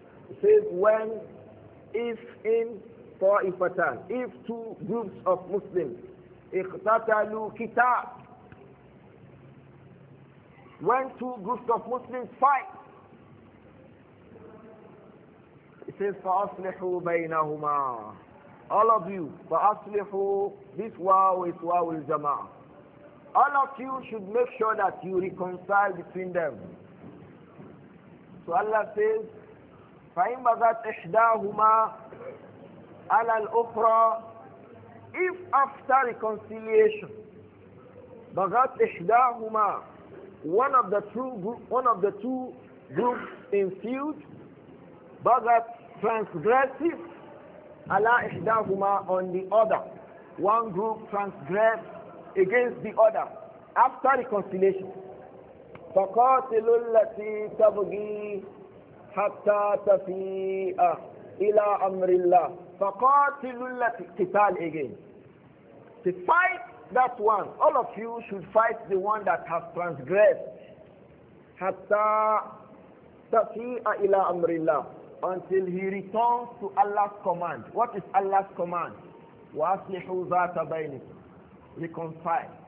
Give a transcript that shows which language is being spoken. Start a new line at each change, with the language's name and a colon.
English: It says when, if in طَائِفَتَانِ, if two groups of Muslims
Arabic: اقْتَتَلُوا كِتَابٍ,
English: when two groups of Muslims fight, it says
Arabic: فَأَصْلِحُوا بَيْنَهُمَا.
English: All of you, فَأَصْلِحُوا, this wow is wow الْجَمَاعَ. All of you should make sure that you reconcile between them. So Allah says,
Arabic: فَإِنْ بَغَتْ إِحْدَاهُمَا عَلَى الْأُخْرَى.
English: If after reconciliation,
Arabic: بَغَتْ إِحْدَاهُمَا,
English: one of the two groups in feud, بَغَتْ transgressive
Arabic: عَلَى إِحْدَاهُمَا,
English: on the other. One group transgressed against the other. After reconciliation,
Arabic: فَقَاتِلُوا الَّتِي تَبْغِي حَتَّى تَفِيءَ إِلَىٰ أَمْرِ اللَّهِ. فَقَاتِلُوا الَّتِي, قِتَال
English: again. To fight that one, all of you should fight the one that has transgressed.
Arabic: حَتَّى تَفِيءَ إِلَىٰ أَمْرِ اللَّهِ,
English: until he returns to Allah's command. What is Allah's command?
Arabic: وَأَصْلِحُوا ذَاتَ بَيْنِكُمْ.
English: Reconcile.